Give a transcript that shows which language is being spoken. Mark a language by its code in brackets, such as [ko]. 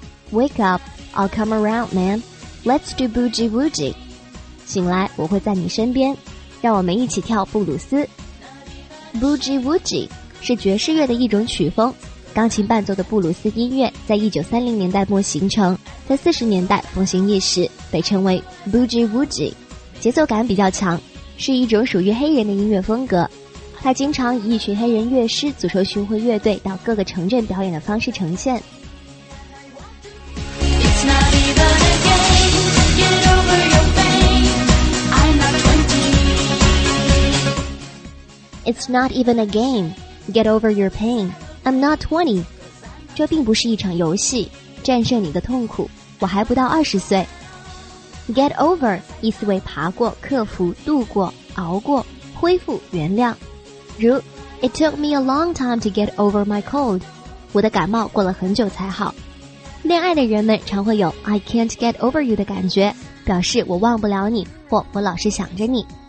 [en] Wake up, I'll come around, man. Let's do boogie woogie. [zh] 醒来，我会在你身边，让我们一起跳布鲁斯。 Boogie woogie 是爵士乐的一种曲风，钢琴伴奏的布鲁斯音乐在1930年代末形成，在40年代风行一时，被称为 boogie woogie。节奏感比较强，是一种属于黑人的音乐风格。它经常以一群黑人乐师组成巡回乐队到各个城镇表演的方式呈现。 [en] It's not even a game. Get over your pain. I'm not 20. [zh] 这并不是一场游戏，战胜你的痛苦，我还不到20岁。 Get over 意思为爬过、克服、度过、熬过、恢复、原谅。 [en] 如 It took me a long time to get over my cold. [zh] 我的感冒过了很久才好。恋爱的人们常会有 [en] I can't get over you [zh] 的感觉，表示我忘不了你，或我老是想着你。